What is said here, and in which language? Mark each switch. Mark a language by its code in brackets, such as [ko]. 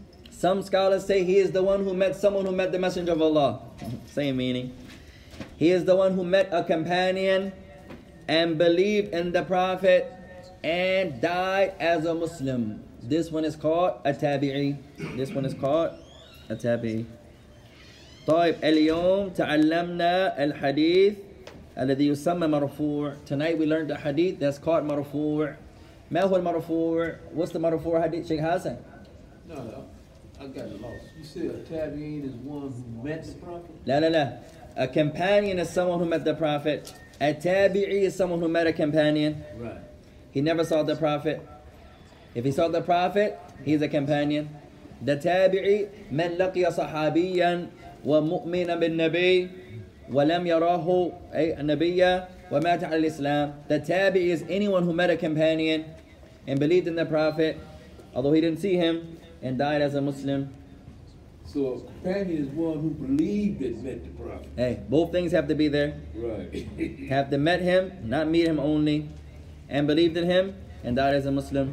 [en] Some scholars say he is the one who met someone who met the Messenger of Allah. Same meaning. He is the one who met a companion and believed in the Prophet and died as a Muslim. This one is called a tabi'i. This one is called a tabi'i. [ar] طيب اليوم تعلمنا الحديث الذي يسمى مرفوع. [en] Tonight we learned a hadith that's called مرفوع. [ar] ما هو المرفوع? [en] What's the مرفوع hadith, Sheikh Hassan? No. I got lost. You said a tabi'in is one who met the Prophet? La. A companion is someone who met the Prophet. A tabi'i is someone who met a companion. Right. He never saw the Prophet. If he saw the Prophet, he's a companion. [ar] The tabi'i, من لقي صحابيا ومؤمنا بالنبي ولم يراه أي النبي ومات على الإسلام. [en] The tabi'i is anyone who met a companion and believed in the Prophet, although he didn't see him, and died as a Muslim. So a companion is one who believed and met the Prophet. Hey, both things have to be there. Right. Have to met him, not meet him only, and believed in him, and died as a Muslim.